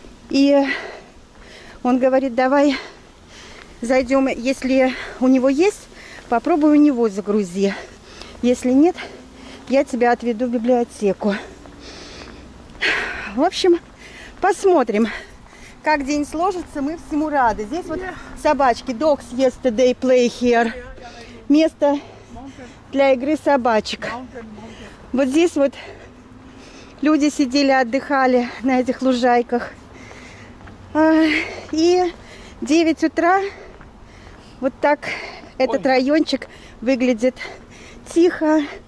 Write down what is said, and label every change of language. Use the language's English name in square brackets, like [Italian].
[Russian] И он говорит, давай зайдем, если у него есть, попробуй у него загрузи. Если нет, я тебя отведу в библиотеку. В общем, посмотрим, как день сложится, мы всему рады. Здесь вот собачки. [English] Dogs yesterday play here. [Russian] Место для игры собачек. Вот здесь вот люди сидели, отдыхали на этих лужайках. И 9 утра. Вот так этот райончик выглядит тихо.